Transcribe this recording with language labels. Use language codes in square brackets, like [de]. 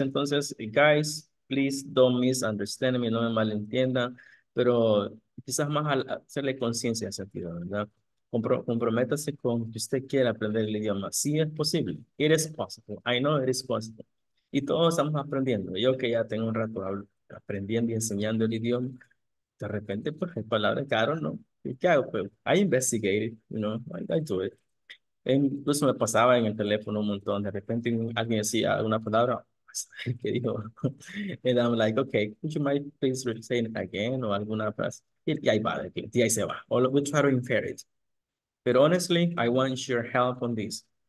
[es] Entonces, guys, [en] please don't misunderstand me, [es] no me malentiendan, pero quizás más al hacerle conciencia en ese sentido, ¿verdad? Comprométase con que usted quiera aprender el idioma. Sí, es posible. [en] It is possible. I know it is possible. [es] Y todos estamos aprendiendo. Yo que ya tengo un rato aprendiendo y enseñando el idioma, de repente, pues, hay palabras caras, ¿no? ¿Y qué hago? [en] Pues, I investigate it, you know, I do it. [es] Incluso me pasaba en el teléfono un montón. De repente alguien decía una palabra, que dijo, [en] and I'm like, okay, would you mind please say it again, [es] o alguna frase, y ahí va, y ahí se va, o [en] we try to infer it, [es] pero [en] honestly, I want your help on this.